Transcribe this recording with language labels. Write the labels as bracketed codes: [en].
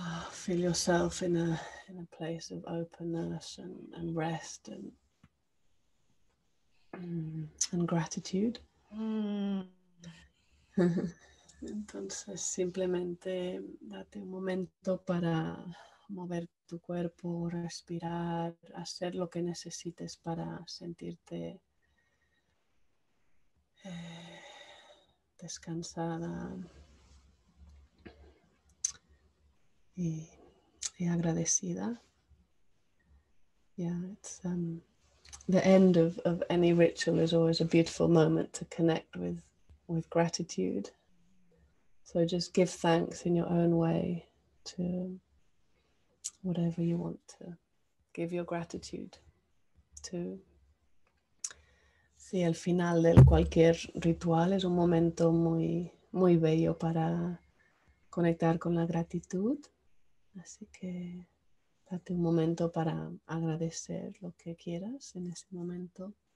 [en] Feel yourself in a place of openness and rest and gratitude. [es] Entonces, simplemente date un momento para mover tu cuerpo, respirar, hacer lo que necesites para sentirte descansada y agradecida. [en] Yeah, it's the end of any ritual is always a beautiful moment to connect with gratitude. So just give thanks in your own way to whatever you want to give your gratitude to. [es] Sí, el final de cualquier ritual es un momento muy, muy bello para conectar con la gratitud. Así que date un momento para agradecer lo que quieras en ese momento.